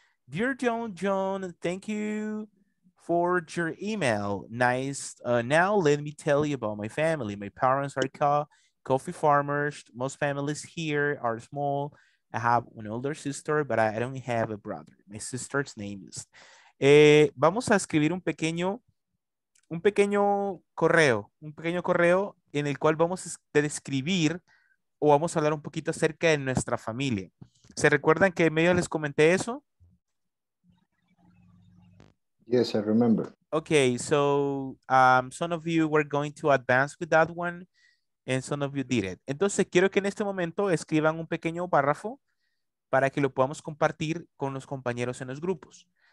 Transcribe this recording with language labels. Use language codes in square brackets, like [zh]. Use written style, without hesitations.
[en] Dear John, thank you for your email. Nice. Now let me tell you about my family. My parents are coffee farmers. Most families here are small. I have an older sister, but I don't have a brother. My sister's name is. [es] Vamos a escribir un pequeño correo en el cual vamos a describir o vamos a hablar un poquito acerca de nuestra familia. ¿Se recuerdan que medio les comenté eso? [en] Yes, I remember. Okay, so some of you were going to advance with that one, and some of you did it. [es] Entonces, quiero que en este momento escriban un pequeño párrafo para que lo podamos compartir con los compañeros en los grupos.